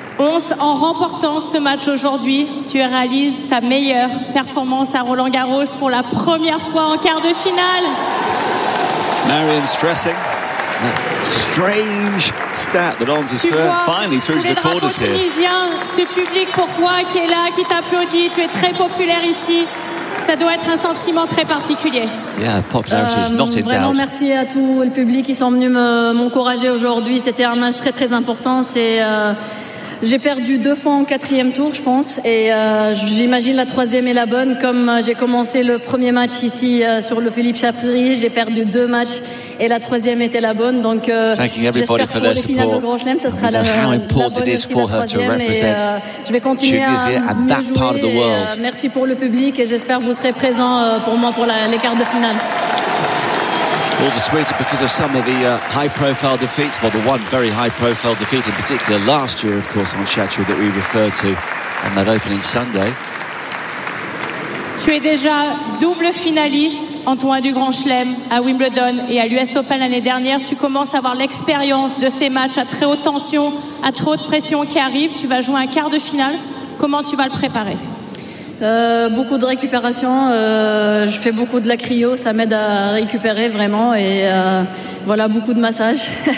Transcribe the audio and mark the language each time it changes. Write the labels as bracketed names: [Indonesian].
[French] Ons, en remportant ce match aujourd'hui, tu réalises ta meilleure performance à Roland Garros pour la première fois en quart de finale. [English] Marion stressing. Strange stat that Ons is finally through to the quarters here. [French] Tu vois, les drapeaux tunisiens, ce public pour toi qui est là, qui t'applaudit, tu es très populaire ici. Ça doit être un sentiment très particulier. [English] Yeah, popularity is not in [French] vraiment [English] doubt. [French] Merci à tout le public qui sont venus m'encourager aujourd'hui. C'était un match très très important. J'ai perdu deux fois en quatrième tour, je pense, et j'imagine la troisième est la bonne. Comme j'ai commencé le premier match ici sur le Philippe Chatrier, j'ai perdu deux matchs et la troisième était la bonne. Donc, j'espère pour les finales de Grand Chelem, ça sera la bonne aussi, la troisième. Je vais continuer à jouer. Merci pour le public et j'espère que vous serez présents pour moi pour les quarts de finale. [English] All the sweeter because of some of the high-profile defeats. Well, the one very high-profile defeat in particular last year, of course, on Chatrier that we referred to on that opening Sunday. [French] Tu es déjà double finaliste en tournoi du Grand Chelem à Wimbledon et à l'US Open l'année dernière. Tu commences à avoir l'expérience de ces matchs à très haute tension, à très haute pression qui arrivent. Tu vas jouer un quart de finale. Comment tu vas le préparer? Beaucoup de récupération, je fais beaucoup de la cryo, ça m'aide à récupérer vraiment, et voilà, beaucoup de massages.